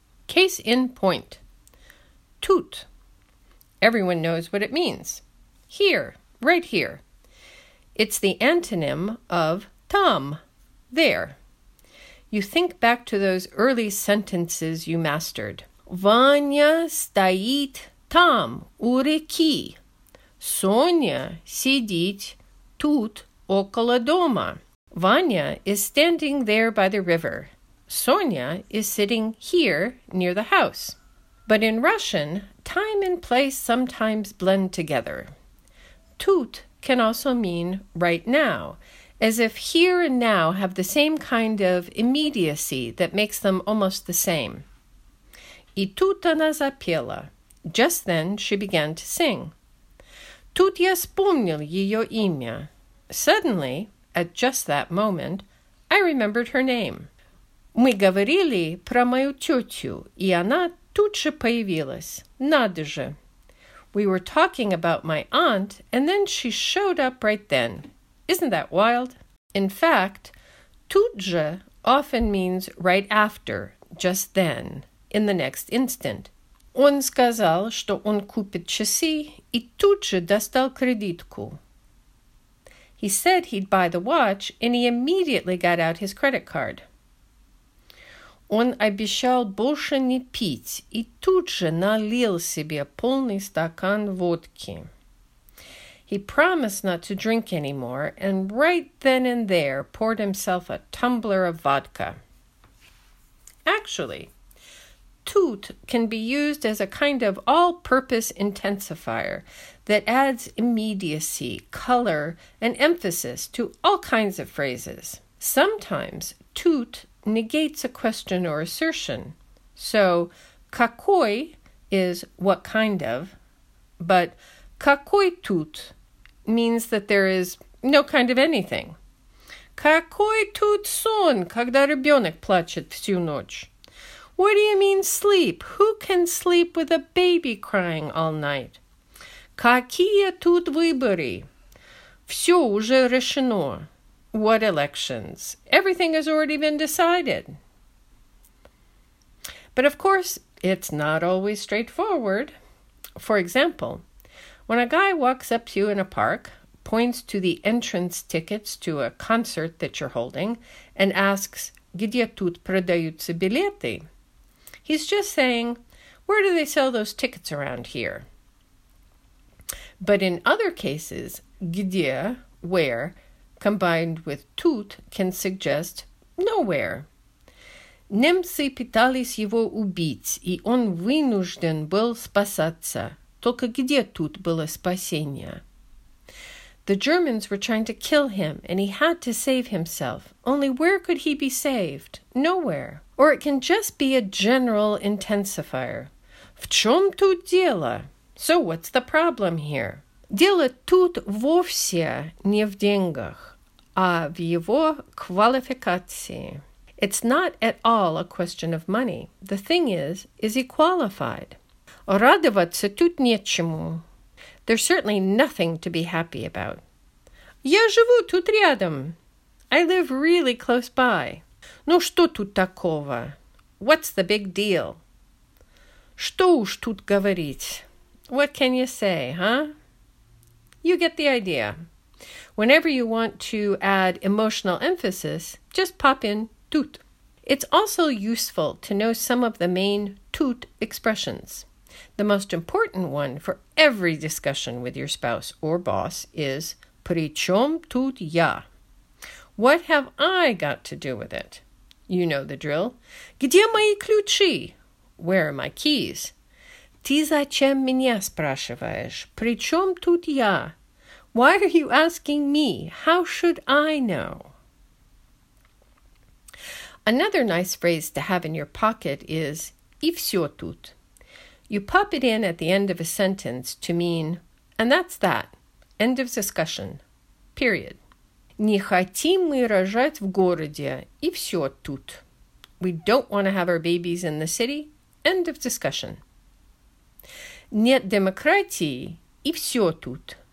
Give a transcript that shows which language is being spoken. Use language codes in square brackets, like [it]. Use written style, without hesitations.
[en] Case in point. Tut. Everyone knows what it means. Here. Right here. It's the antonym of там, there. You think back to those early sentences you mastered. [ru] Ваня стоит там, у реки. Соня сидит тут, около дома. [en] Ваня is standing there by the river. Соня is sitting here, near the house. But in Russian, time and place sometimes blend together. Тут can also mean right now, as if here and now have the same kind of immediacy that makes them almost the same. [ru] И тут она запела. [en] Just then she began to sing. [ru] Тут я вспомнил ее имя. [en] Suddenly, at just that moment, I remembered her name. [ru] Мы говорили про мою тетю, и она тут же появилась. Надо же! [en] We were talking about my aunt, and then she showed up right then. Isn't that wild? In fact, тут же often means right after, just then, in the next instant. [ru] Он сказал, что он купит часы, и тут же достал кредитку. [en] He said he'd buy the watch, and he immediately got out his credit card. [ru] Он обещал больше не пить и тут же налил себе полный стакан водки. [en] He promised not to drink anymore and right then and there poured himself a tumbler of vodka. Actually, тут can be used as a kind of all-purpose intensifier that adds immediacy, color, and emphasis to all kinds of phrases. Sometimes тут negates a question or assertion. So, какой is what kind of, but какой тут means that there is no kind of anything. [ru] Какой тут сон, когда ребенок плачет всю ночь? [en] What do you mean sleep? Who can sleep with a baby crying all night? [ru] Какие тут выборы? Все уже решено. [en] What elections? Everything has already been decided. But of course, it's not always straightforward. For example, when a guy walks up to you in a park, points to the entrance tickets to a concert that you're holding, and asks, [ru] где тут продаются билеты? [en] He's just saying, where do they sell those tickets around here? But in other cases, где, where, combined with тут, can suggest nowhere. [ru] Немцы пытались его убить, и он вынужден был спасаться. Только где тут было спасение? [en] The Germans were trying to kill him, and he had to save himself. Only where could he be saved? Nowhere. Or it can just be a general intensifier. [ru] В чем тут дело? [en] So what's the problem here? [ru] Дело тут вовсе не в деньгах. А в его квалификации. [en] It's not at all a question of money. The thing is he qualified? [ru] Радоваться тут нечему. [en] There's certainly nothing to be happy about. [ru] Я живу тут рядом. [en] I live really close by. [ru] Ну что тут такого? [en] What's the big deal? [ru] Что уж тут говорить? [en] What can you say, huh? You get the idea. Whenever you want to add emotional emphasis, just pop in тут. It's also useful to know some of the main тут expressions. The most important one for every discussion with your spouse or boss is [ru] при чем тут я? [en] What have I got to do with it? You know the drill. [ru] Где мои ключи? [en] Where are my keys? [ru] Ты зачем меня спрашиваешь? При чем тут я? [en] Why are you asking me? How should I know? Another nice phrase to have in your pocket is и все тут. You pop it in at the end of a sentence to mean, and that's that, end of discussion, period. [ru] Не хотим мы рожать в городе, и все тут. [en] We don't want to have our babies in the city, end of discussion. [ru] Нет демократии, и все тут.